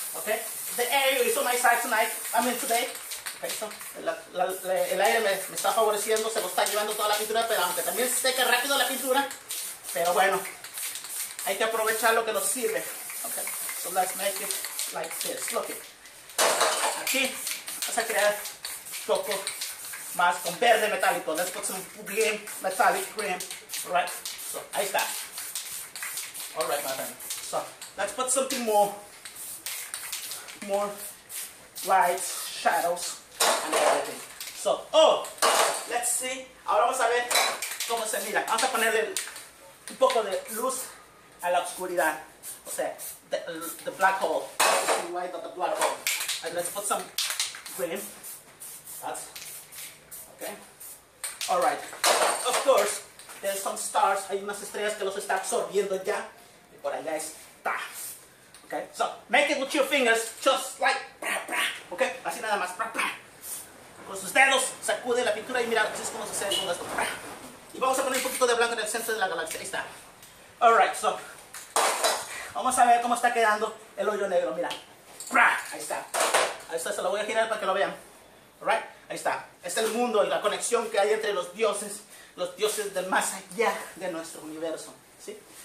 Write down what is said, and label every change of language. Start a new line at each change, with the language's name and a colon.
English: Okay, the air is on my side tonight. I mean today.
Spanish: El aire me está favoreciendo, se lo está llevando toda la pintura, pero aunque también se seca rápido la pintura, pero bueno, hay que aprovechar lo que nos sirve.
English: Ok, so let's make it like this. Look it.
Spanish: Aquí vamos a crear un poco más con verde metálico.
English: Let's put some green metallic green. Right, so
Spanish: ahí está.
English: Alright, my friend. So let's put something more light shadows. So, oh, let's see.
Spanish: Ahora vamos a ver cómo se mira. Vamos a ponerle un poco de luz a la oscuridad. O sea,
English: the black hole. Let's see light of the black hole. And let's put some green. That's okay. All right. Of course, there's some stars.
Spanish: Hay unas estrellas que los está absorbiendo ya. Y por allá está. Okay.
English: So, make it with your fingers, just like bra, bra.
Spanish: Okay. Así nada más. Bra, bra. Con sus dedos, sacude la pintura y mira, así es como se hace con esto. Y vamos a poner un poquito de blanco en el centro de la galaxia. Ahí está.
English: Alright, so.
Spanish: Vamos a ver cómo está quedando el hoyo negro. Mira. Ahí está. Ahí está, se lo voy a girar para que lo vean. Alright, ahí está. Este es el mundo, la conexión que hay entre los dioses del más allá de nuestro universo. ¿Sí?